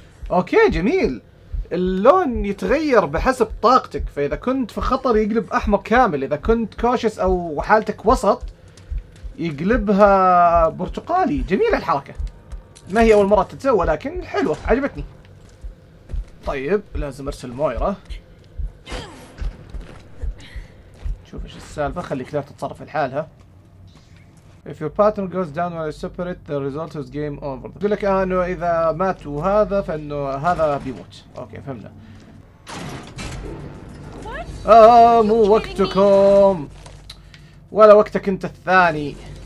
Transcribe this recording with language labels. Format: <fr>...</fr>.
<ar>أوكي جميل، اللون يتغير بحسب طاقتك، فإذا كنت في خطر يقلب أحمر كامل، إذا كنت كوشس أو حالتك وسط يقلبها برتقالي. جميلة الحركة، ما هي أول مرة تتسوى لكن حلوة عجبتني. طيب لازم أرسل مويرة، شوف ايش السالفة، خلي كلاب تتصرف لحالها.</ar> <en>If your partner goes down while you separate, the result is game over.</en> <ar>يقول لك انه اذا مات وهذا فانه هذا بيموت. اوكي فهمنا. مو وقتكم ولا وقتك انت الثاني.</ar>